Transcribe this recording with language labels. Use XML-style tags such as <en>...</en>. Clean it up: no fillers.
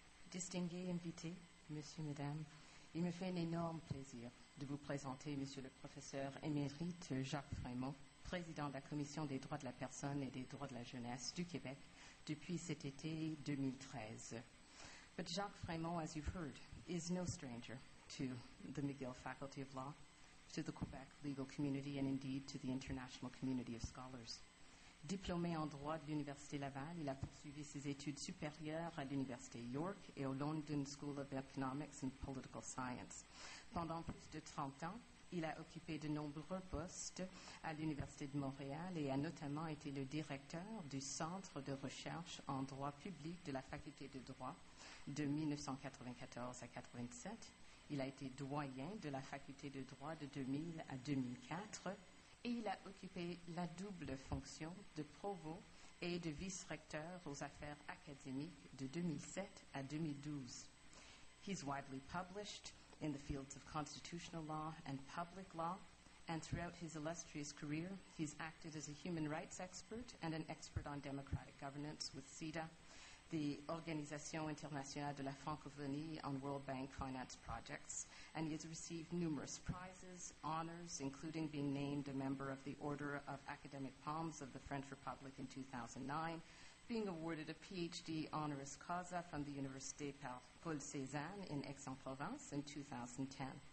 <fr>Distingués invités, messieurs, mesdames, il me fait un énorme plaisir de vous présenter monsieur le professeur émérite Jacques Frémont, président de la Commission des droits de la personne et des droits de la jeunesse du Québec depuis cet été 2013.</fr> <en>But Jacques Frémont, as you've heard, is no stranger to the McGill Faculty of Law, to the Quebec legal community, and indeed to the international community of scholars.</en> <fr>Diplômé en droit de l'Université Laval, il a poursuivi ses études supérieures à l'Université York et au London School of Economics and Political Science. Pendant plus de 30 ans, il a occupé de nombreux postes à l'Université de Montréal et a notamment été le directeur du Centre de recherche en droit public de la Faculté de droit de 1994 à 1997. Il a été doyen de la Faculté de droit de 2000 à 2004. Et il a occupé la double fonction de provost et de vice-recteur aux affaires académiques de 2007 à 2012.</fr> <en>He's widely published in the fields of constitutional law and public law, and throughout his illustrious career, he's acted as a human rights expert and an expert on democratic governance with CEDA, the Organisation Internationale de la Francophonie on World Bank Finance Projects, and he has received numerous prizes, honors, including being named a member of the Order of Academic Palms of the French Republic in 2009, being awarded a PhD honoris causa from the Université Paul Cézanne in Aix-en-Provence in 2010.</en>